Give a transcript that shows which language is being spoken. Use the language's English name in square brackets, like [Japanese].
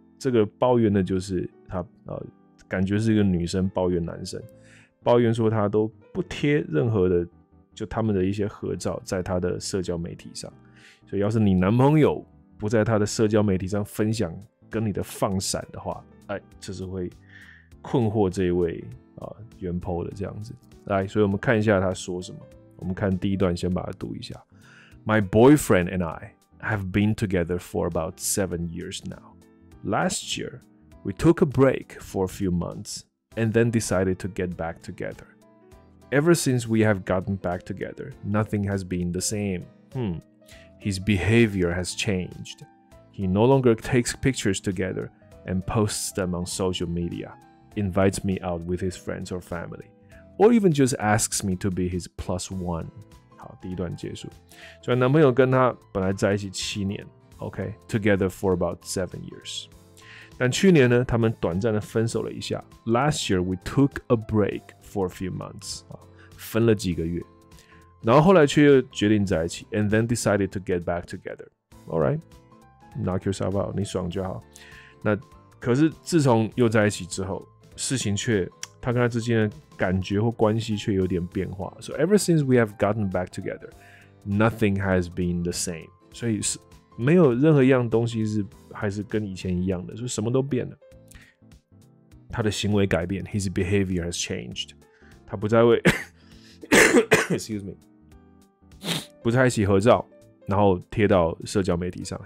[Chinese] 这个抱怨的就是他，感觉是一个女生抱怨男生，抱怨说他都不贴任何的，就他们的一些合照在他的社交媒体上。所以，要是你男朋友不在他的社交媒体上分享跟你的放闪的话，哎，这是会困惑这一位啊原 Paul 的这样子。来，所以我们看一下他说什么。我们看第一段，先把它读一下。 [English] My boyfriend and I have been together for about 7 years now. Last year, we took a break for a few months and then decided to get back together. Ever since we have gotten back together, nothing has been the same. His behavior has changed. He no longer takes pictures together and posts them on social media, invites me out with his friends or family. Or even just asks me to be his plus one. [Chinese] 好，第一段结束。所以男朋友跟他本来在一起七年 ，OK， [English] together for about 7 years. [Chinese] 但去年呢，他们短暂的分手了一下。 [English] Last year we took a break for a few months. [Chinese] 分了几个月，然后后来却又决定在一起。 [English] And then decided to get back together. All right, knock yourself out. [Chinese] 你爽就好。那可是自从又在一起之后，事情却。他跟他之间的感觉或关系却有点变化。 [English] So ever since we have gotten back together, nothing has been the same. [Chinese] 所以是没有任何一样东西是还是跟以前一样的，所以什么都变了。他的行为改变 ， [English] his behavior has changed. [Chinese] 他不再会 [English] excuse me， [Chinese] 不再一起合照，然后贴到社交媒体上。